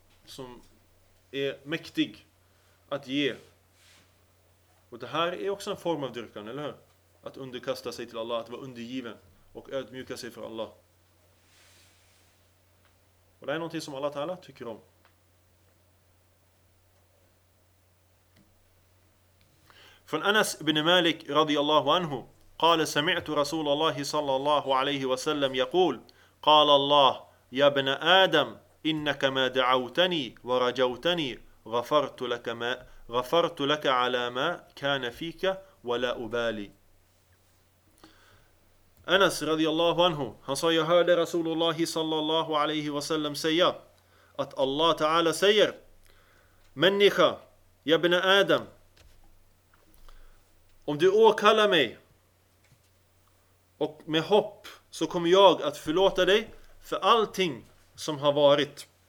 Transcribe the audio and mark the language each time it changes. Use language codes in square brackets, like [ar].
[sv] Som är mäktig att ge. Och det här är också en form av dyrkan, eller hur? Att underkasta sig till Allah, att vara undergiven och ödmjuka sig för Allah. Och det är någonting som Allah Ta'ala tycker om. Från Anas ibn Malik radiyallahu anhu, [ar] قال سمعت رسول الله صلى الله عليه وسلم يقول قال الله يا ابن آدم إنك ما دعوتني ورجوتني غفرت لك ما غفرت لك على ما كان فيك ولا أبالي. [sv] Anas radiyallahu anhu, han sa jag hörde Rasulullah sallallahu alaihi wasallam säga att Allah Ta'ala säger: människa, ya ibn Adam, om du åkallar mig och med hopp så kommer jag att förlåta dig för allting som har varit.